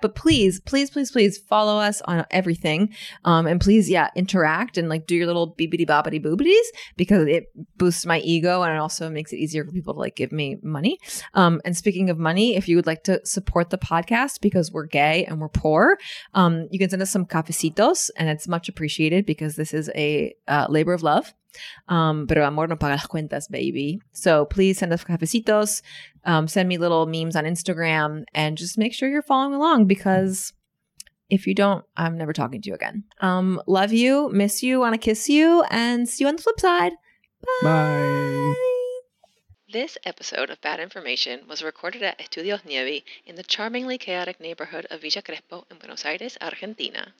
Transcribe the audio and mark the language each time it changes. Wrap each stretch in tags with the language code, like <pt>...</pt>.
<en>But please, please, please, please follow us on everything. And please, yeah, interact and, like, do your little beepity boppity boobities, because it boosts my ego, and it also makes it easier for people to, like, give me money. And speaking of money, if you would like to support the podcast, because we're gay and we're poor, you can send us some cafecitos, and it's much appreciated, because this is a labor of love.</en> <es>Pero amor no paga las cuentas, baby.</es> <en>So please send us cafecitos. Send me little memes on Instagram. And just make sure you're following along, because if you don't, I'm never talking to you again. Love you. Miss you. Want to kiss you. And see you on the flip side. Bye. This episode of Bad Information was recorded at Estudios Nievi in the charmingly chaotic neighborhood of Villa Crespo in Buenos Aires, Argentina.</en>